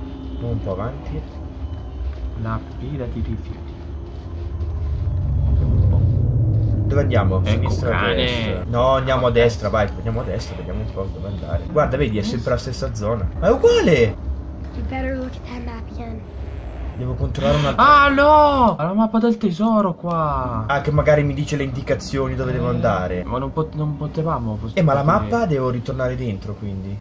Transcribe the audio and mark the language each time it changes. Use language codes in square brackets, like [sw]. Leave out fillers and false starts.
[it] Andiamo un po' avanti. La pila di rifiuti. Dove andiamo? Sinistra o destra? No, andiamo a destra, vai. Andiamo a destra, vediamo un po' dove andare. Guarda, vedi, è sempre la stessa zona. Ma è uguale! [en] You better look at that map again. [it] Devo controllare una... Ah, no! Ha la mappa del tesoro qua! Ah, che magari mi dice le indicazioni dove devo andare. Ma non potevamo... ma la mappa devo ritornare dentro, quindi.